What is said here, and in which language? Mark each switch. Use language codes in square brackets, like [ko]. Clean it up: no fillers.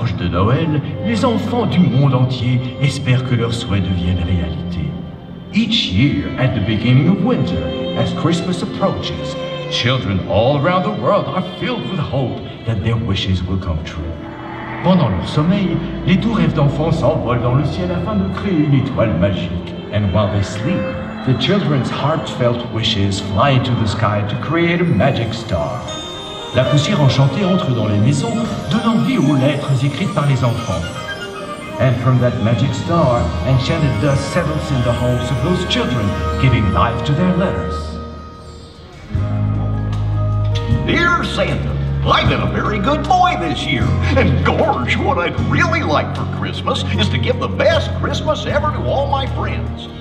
[fr] Noël, les enfants du monde entier espèrent que leurs souhaits deviennent réalité. [en] Each year, at the beginning of winter, as Christmas approaches, children all around the world are filled with hope that their wishes will come true. [fr] Pendant leur sommeil, les doux rêves d'enfants s'envolent dans le ciel afin de créer une étoile magique. [en] And while they sleep, the children's heartfelt wishes fly into the sky to create a magic star. [fr] La poussière enchantée entre dans les maisons, donnant vie aux lettres écrites par les enfants. [en] And from that magic star, enchanted dust settles in the homes of those children, giving life to their letters. Dear Santa, I've been a very good boy this year. And gosh, what I'd really like for Christmas is to give the best Christmas ever to all my friends.